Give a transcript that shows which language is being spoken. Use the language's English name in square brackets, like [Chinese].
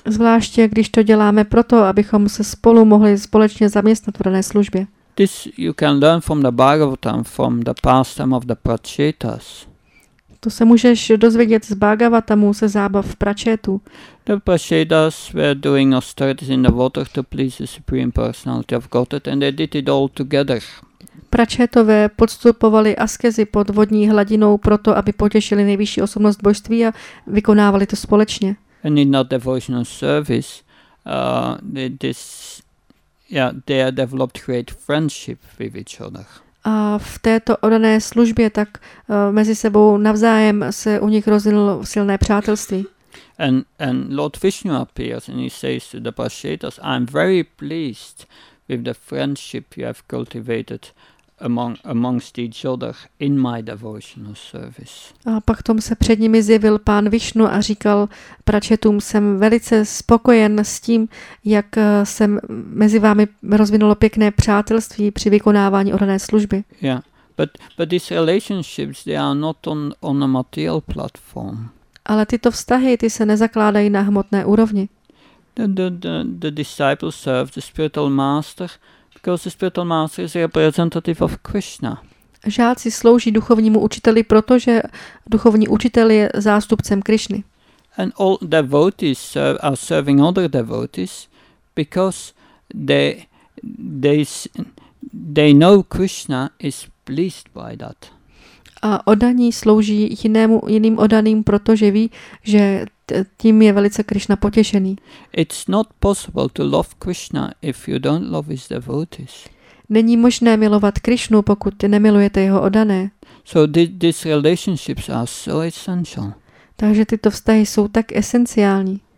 [Czech] Zvláště když to děláme proto, abychom se spolu mohli společně zaměstnat v dané službě. [English] This you can learn from the Bhagavatam, from the pastime of the Prachetas. [Czech] To se můžeš dozvědět z Bhagavatamu, se zábav v Prachetu. [English] The Prachetas were doing austerities in the water to please the Supreme Personality of Godhead, and they did it all together. [Czech] Pračetové podstupovali askezi pod vodní hladinou proto, aby potěšili nejvyšší osobnost božství a vykonávali to společně. [English] And in that devotional service, they developed great friendship with each other. [Czech] A v této odané službě tak mezi sebou navzájem se u nich rozvinulo silné přátelství. [English] And Lord Vishnu appears and he says to the Pracetas, I'm very pleased with the friendship you have cultivated amongst each other in my devotional service. [Czech] A pak tom se před nimi zjevil pán Vishnu a říkal Prachetům, jsem velice spokojen s tím, jak se mezi vámi rozvinulo pěkné přátelství při vykonávání odané služby. [English] Yeah, but these relationships, they are not on a material platform. [Czech] Ale tyto vztahy, ty se nezakládají na hmotné úrovni. [English] The disciples serve the spiritual master because the spiritual master is representative of Krishna. [Czech] Žáci slouží duchovnímu učiteli, protože duchovní učitel je zástupcem Krishny. [English] and all devotees are serving other devotees because they know Krishna is pleased by that. [Czech] A oddaní slouží jiným oddaným, protože ví, že tím je velice Krishna potěšený. [English] It's not possible to love Krishna if you don't love his devotees. [Czech] Není možné milovat Krishnu, pokud nemilujete jeho oddané. [English] So these relationships are so essential. [Czech] Takže tyto vztahy jsou tak esenciální.